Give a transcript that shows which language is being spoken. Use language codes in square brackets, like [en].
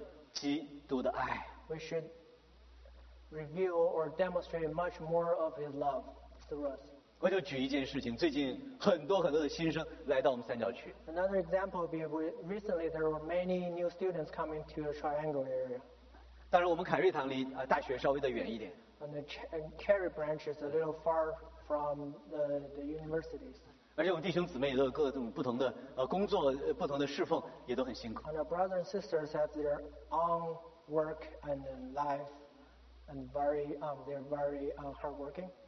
[zh] 我们早就能够传递出来更多更多的基督的爱. [en] We should reveal or demonstrate much more of His love through us. [zh] 我就举一件事情，最近很多很多的新生来到我们三角区。 [en] Another example would be recently there were many new students coming to the Triangle area. [zh] 当然我们凯瑞堂离大学稍微的远一点。 [en] And the Cary branch is a little far from the universities. [zh] 而且我们弟兄姊妹也都有各种不同的工作，不同的侍奉，也都很辛苦。 [en] And our brothers and sisters have their own work and life and they're very hardworking.